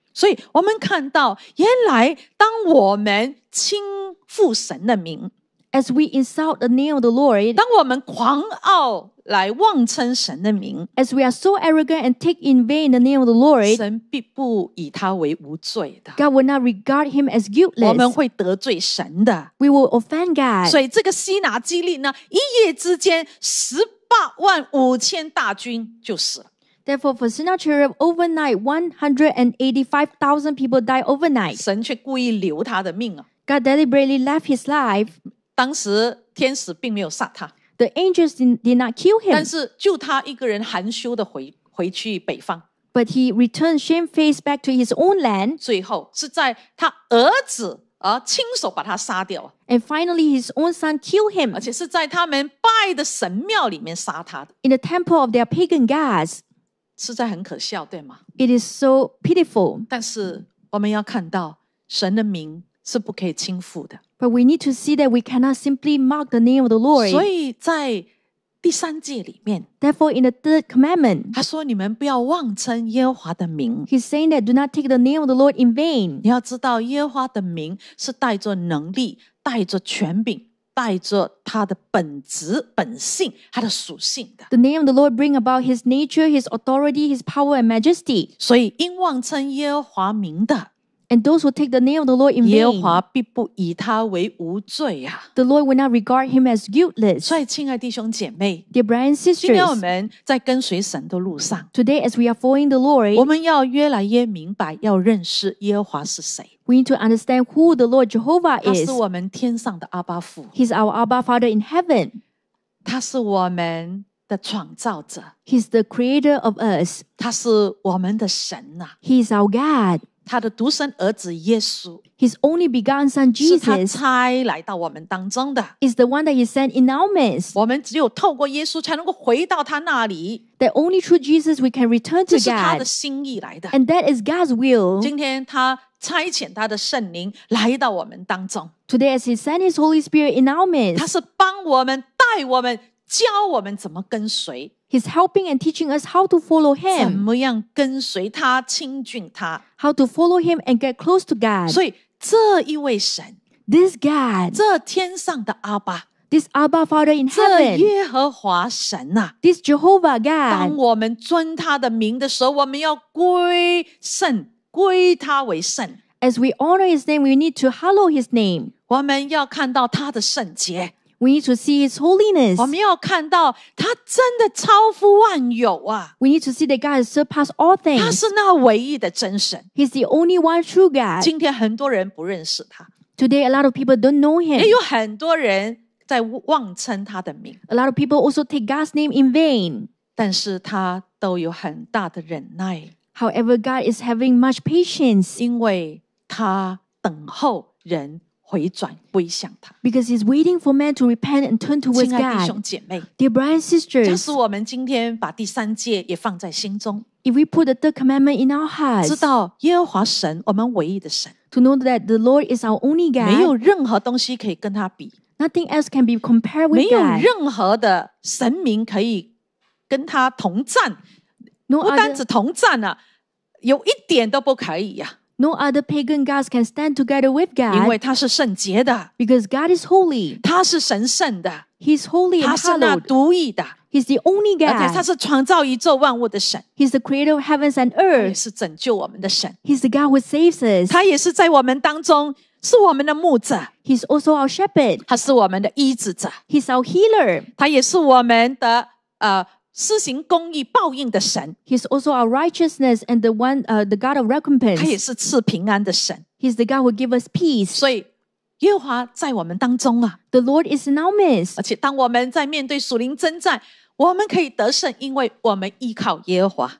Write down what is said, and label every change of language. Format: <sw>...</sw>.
<zh>所以我们看到原来当我们轻负神的名</zh> <en>As we insult the name of the Lord</en> <zh>当我们狂傲来妄称神的名</zh> <en>As we are so arrogant and take in vain the name of the Lord</en> <zh>神必不以他为无罪的</zh> <en>God will not regard him as guiltless</en> <zh>我们会得罪神的</zh> <en>We will offend God</en> <zh>所以这个西拿基利呢一夜之间185,000大军就死了</zh> <en>Therefore, for Sennacherib, overnight, 185,000 people died overnight.</en> <zh>神却故意留他的命啊。</zh> <en>God deliberately left his life.</en> <zh>当时天使并没有杀他。</zh> <en>The angels did not kill him.</en> <zh>但是就他一个人含羞地回去北方。</zh> <en>But he returned shamefaced back to his own land.</en> <zh>最后是在他儿子而亲手把他杀掉。</zh> <en>And finally, his own son killed him.</en> <zh>而且是在他们拜的神庙里面杀他的。</zh> <en>In the temple of their pagan gods.</en> <zh>实在很可笑，对吗</zh> <en>？It is so pitiful.</en> <zh>但是我们要看到神的名是不可以轻负的。</zh> <en>But we need to see that we cannot simply mock the name of the Lord.</en> <zh>所以在第三诫里面</zh> <en>，Therefore in the third commandment,</en> <zh>他说你们不要妄称耶和华的名。</zh> <en>He's saying that do not take the name of the Lord in vain.</en> <zh>你要知道耶和华的名是带着能力、带着权柄。带着他的本质、本性、他的属性的。</zh> <en>The name of the Lord bring about His nature, His authority, His power and majesty.</en> <zh>所以，因妄称耶和华名的</zh> <en>，and those who take the name of the Lord in vain,</en> <zh>耶和华必不以他为无罪呀。</zh> <en>The Lord will not regard him as guiltless.</en> <zh>所以，亲爱弟兄姐妹</zh> <en>，Dear brothers and sisters,</en> <zh>今天我们在跟随神的路上</zh> <en>，Today as we are following the Lord,</en> <zh>我们要越来越明白，要认识耶和华是谁。</zh> <en>We need to understand who the Lord Jehovah is.</en> <zh>他是我们天上的阿爸父。</zh> <en>He's our Abba Father in heaven.</en> <zh>他是我们的创造者。</zh> <en>He's the creator of us.</en> <zh>他是我们的神啊。</zh> <en>He's our God.</en> <zh>他的独生儿子耶稣。</zh> <en>His only begotten son Jesus.</en> <zh>是他差来到我们当中的。</zh> <en>Is the one that he sent in our midst.</en> <zh>我们只有透过耶稣才能够回到他那里。</zh> <en>That only through Jesus we can return to God.</en> <zh>这是他的心意来的。</zh> <en>And that is God's will.</en> <zh>今天他差遣他的圣灵来到我们当中。</zh> <en>Today, as He sent His Holy Spirit in our midst,</en> <zh>他是帮我们、带我们、教我们怎么跟随。</zh> <en>He's helping and teaching us how to follow Him.</en> <zh>怎么样跟随他、亲近他</zh> <en>？How to follow Him and get close to God.</en> <zh>所以这一位神</zh> <en>This God</en> <zh>这天上的阿爸</zh> <en>This Abba Father in heaven</en> <zh>这耶和华神啊</zh> <en>This Jehovah God</en> <zh>当我们尊他的名的时候我们要归圣归他为圣</zh> <en>As we honor his name we need to hallow his name</en> <zh>我们要看到他的圣洁</zh> <en>We need to see His holiness.</en> <zh>我们要看到他真的超乎万有啊</zh> <en>We need to see that God surpass all things.</en> <zh>他是那唯一的真神</zh> <en>He's the only one true God.</en> <zh>今天很多人不认识他</zh> <en>Today a lot of people don't know Him.</en> <zh>也有很多人在妄称他的名</zh> <en>A lot of people also take God's name in vain.</en> <zh>但是他都有很大的忍耐</zh> <en>However, God is having much patience.</en> <zh>因为他等候人回转归向他</zh> <en>Because he's waiting for man to repent and turn towards God</en> <zh>亲爱弟兄姐妹</zh> <en>Dear brothers and sisters</en> <zh>假使我们今天把第三诫也放在心中</zh> <en>If we put the third commandment in our hearts</en> <zh>知道耶和华神我们唯一的神</zh> <en>To know that the Lord is our only God</en> <zh>没有任何东西可以跟他比</zh> <en>Nothing else can be compared with God</en> <zh>没有任何的神明可以跟他同战</zh> <en>No</en> <zh>不单只同战啊有一点都不可以啊</zh> <en>No other pagan gods can stand together with God.</en> <zh>因为他是圣洁的。</zh> <en>Because God is holy.</en> <zh>他是神圣的。</zh> <en>He's holy and hallowed.</en> <zh>他是那独一的。</zh> <en>He's the only God.</en> <zh>而且他是创造宇宙万物的神。</zh> <en>He's the creator of heavens and earth.</en> <zh>也是拯救我们的神。</zh> <en>He's the God who saves us.</en> <zh>他也是在我们当中是我们的牧者。</zh> <en>He's also our shepherd.</en> <zh>他是我们的医治者。</zh> <en>He's our healer.</en> <zh>他也是我们的施行公义报应的神</zh> <en>He's also our righteousness and the God of recompense</en> <zh>他也是赐平安的神</zh> <en>He's the God who gives us peace</en> <zh>所以耶和华在我们当中啊</zh> <en>The Lord is in our midst</en> <zh>而且当我们在面对属灵征战我们可以得胜因为我们依靠耶和华</zh>